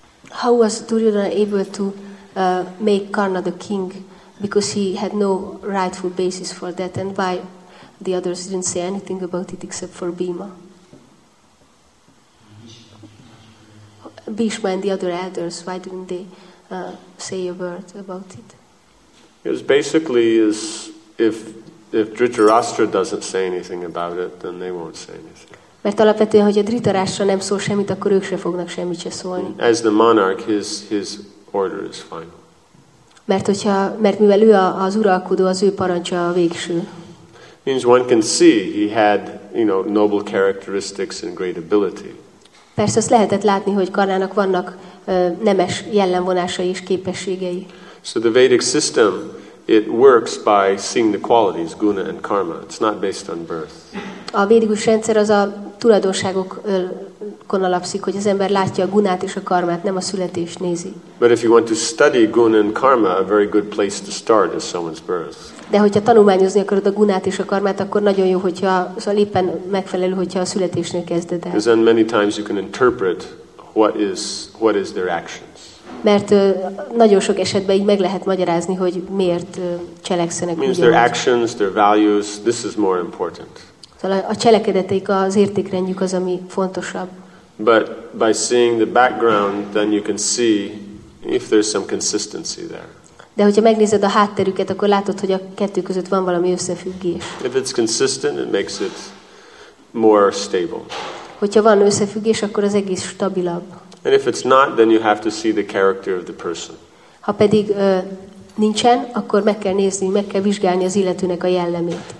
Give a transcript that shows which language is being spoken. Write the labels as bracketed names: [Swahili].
[English] How was Duryodhana able to make Karna the king, because he had no rightful basis for that, and why the others didn't say anything about it except for Bhima? Bhishma and the other elders, why didn't they say a word about it? It was basically is if Dhritarashtra doesn't say anything about it, then they won't say anything. [Hungarian] Mert alapvetően, hogy a Dhritarashtra nem szól semmit, akkor ők se fognak semmit se szólni. [English] As the monarch, his order is final. [Hungarian] Mert mivel ő az uralkodó, az ő parancsa a végső. [English] Means one can see he had, you know, noble characteristics and great ability. [Hungarian] Persze azt lehetett látni, hogy Karnának vannak nemes jellemvonásai és képességei. [English] So the Vedic system, it works by seeing the qualities, guna and karma. It's not based on birth. [Hungarian] A védikus rendszer az a tulajdonságokon alapszik, hogy az ember látja a gunát és a karmát, nem a születést nézi. [English] But if you want to study guna and karma, a very good place to start is someone's birth. [Hungarian] De hogyha tanulmányozni akarod a gunát és a karmát, akkor nagyon jó, hogyha szóval éppen megfelelő, hogyha a születésnél kezded el. [English] Because then many times you can interpret what is their action. [Hungarian] Mert nagyon sok esetben így meg lehet magyarázni, hogy miért cselekszenek. [English] Means their actions, their values, this is more important. [Hungarian] Szóval a cselekedeteik, az értékrendjük az, ami fontosabb. [English] But by seeing the background, then you can see if there's some consistency there. [Hungarian] De hogyha megnézed a hátterüket, akkor látod, hogy a kettő között van valami összefüggés. [English] If it's consistent, it makes it more stable. [Hungarian] Hogyha van összefüggés, akkor az egész stabilabb. [English] And if it's not, then you have to see the character of the person. [Hungarian] Ha pedig nincsen, akkor meg kell nézni, meg kell vizsgálni az illetőnek a jellemét.